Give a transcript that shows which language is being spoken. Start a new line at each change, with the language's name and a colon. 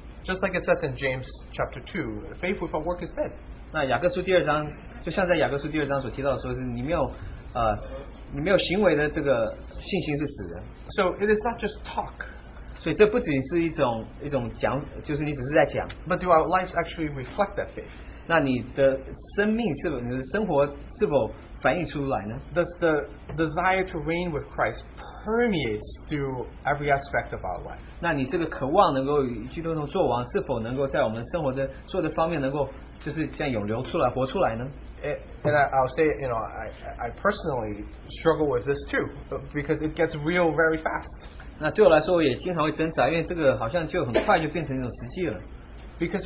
English: Just like it says in James chapter 2, faith without work is dead.
Chinese: 那雅各书第二章，就像在雅各书第二章所提到的说，是你没有行为的这个信心是死的。
English: So it is not just talk.
Chinese: 所以这不仅是一种讲，就是你只是在讲。
English: But do our lives actually reflect that faith?
Chinese: 那你的生命是否，你的生活是否反映出来呢？
English: Does the desire to reign with Christ permeates through every aspect of our life?
Chinese: 那你这个渴望能够与基督同作王，是否能够在我们生活的所有的方面能够就是这样涌流出来，活出来呢？
English: And I'll say, you know, I personally struggle with this too, because it gets real very fast.
Chinese: 那对我来说，我也经常会挣扎，因为这个好像就很快就变成一种实际了。
English: Because